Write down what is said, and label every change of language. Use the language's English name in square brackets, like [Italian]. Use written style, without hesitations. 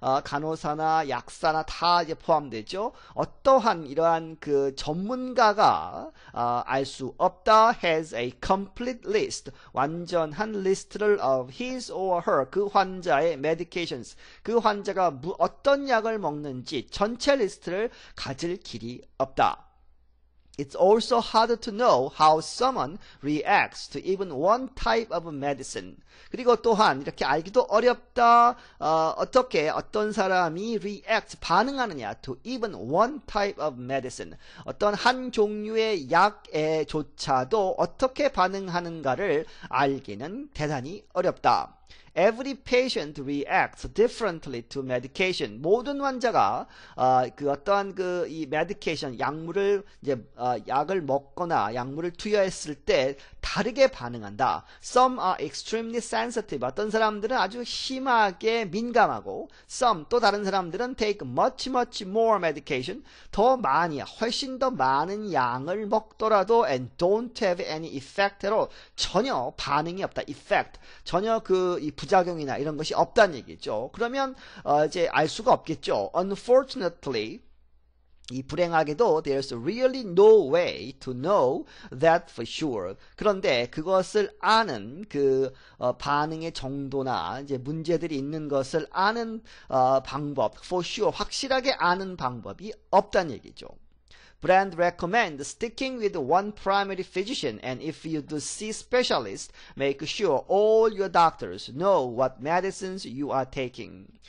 [Korean] 간호사나 약사나 다 이제 포함되죠 어떠한 이러한 그 전문가가 알 수 없다 [English] has a complete list [Korean] 완전한 리스트를 [English] of his or her [Korean] 그 환자의 medications 그 환자가 어떤 약을 먹는지 전체 리스트를 가질 길이 없다. [English] It's also hard to know how someone reacts to even one type of medicine. [Korean] 그리고 또한 이렇게 알기도 어렵다. 어떻게 어떤 사람이 react 반응하느냐 [English] to even one type of medicine. [Korean] 어떤 한 종류의 약에 조차도 어떻게 반응하는가를 알기는 대단히 어렵다. [English] Every patient reacts differently to medication. [Korean] 모든 환자가 그 어떠한 그 이 medication 약물을 이제 약을 먹거나 약물을 투여했을 때 다르게 반응한다. [English] Some are extremely sensitive. [Korean] 어떤 사람들은 아주 심하게 민감하고 [English] some [Korean] 또 다른 사람들은 [English] take much much more medication. [Korean] 더 많이 훨씬 더 많은 양을 먹더라도 [English] and don't have any effect. [Korean] 전혀 반응이 없다. Effect. 전혀 그 이 부작용이나 이런 것이 없다는 얘기죠. 그러면 이제 알 수가 없겠죠. [English] Unfortunately, [Korean] 이 불행하게도 [English] there's really no way to know that for sure. [Korean] 그런데 그것을 아는 그 반응의 정도나 이제 문제들이 있는 것을 아는 방법, [English] for sure, [Korean] 확실하게 아는 방법이 없다는 얘기죠. [English] Brand recommend sticking with one primary physician and if you do see specialist, make sure all your doctors know what medicines you are taking.